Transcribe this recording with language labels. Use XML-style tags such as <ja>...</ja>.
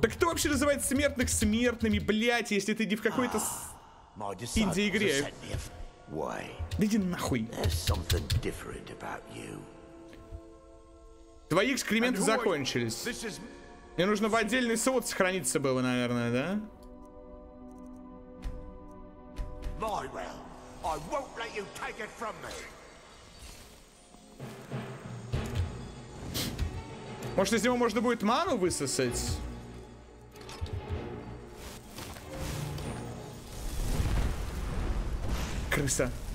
<ru>Да кто вообще называет смертных смертными, блять, если ты не в какой-то инди-игре? Да иди нахуй.</ru> <en>There's something different about you.</en> <ru>Твои экскременты закончились. Мне нужно в отдельный сот сохраниться было, наверное, да?</ru> <en>My well, I won't let you take it from me.</en> <ru>Может, из него можно будет ману высосать? Крыса.</ru>